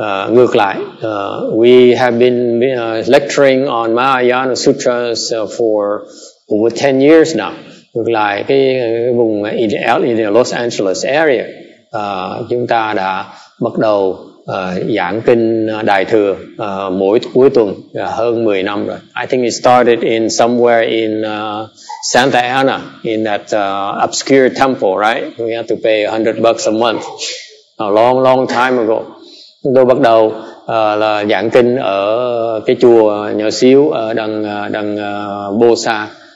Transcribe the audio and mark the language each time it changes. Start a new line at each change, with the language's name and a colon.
Vietnamese: Ngược lại,
English: we have been lecturing on Mahayana sutras for over 10 years now.
Vietnamese: Ngược lại cái vùng
English: in Los Angeles area,
Vietnamese: chúng ta đã bắt đầu giảng kinh đại thừa mỗi cuối tuần hơn 10 năm rồi.
English: I think it started in somewhere in Santa Ana, in that obscure temple, right? We had to pay $100 a month. A long, long time ago.
Vietnamese: Tôi bắt đầu là giảng kinh ở cái chùa nhỏ xíu ở đằng Bô Sa.